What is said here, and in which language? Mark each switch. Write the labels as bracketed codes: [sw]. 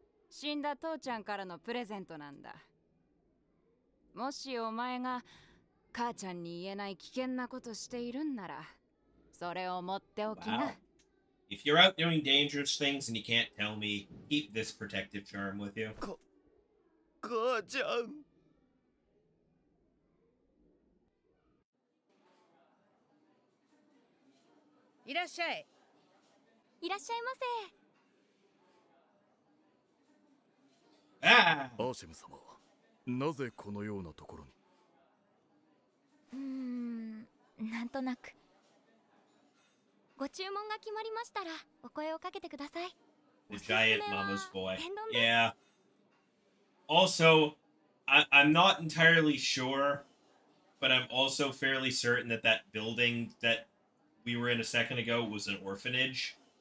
[ja] 死んだ父ちゃんからのプレゼントなんだ。もしお前が母ちゃんに言えない危険なことしているんなら、それを持っておきな。 [en] Wow. If you're out doing dangerous things and you can't tell me, keep this protective charm with you. [ja] 母ちゃん。いらっしゃい。いらっしゃいませ。アーシェム様、なぜこのようなところに？なんとなく。ご注文が決まりましたら、お声をかけてください。 [en] The giant mama's boy. Yeah. Also, I'm not entirely sure, but I'm also fairly certain that that building that we were in a second ago was an orphanage.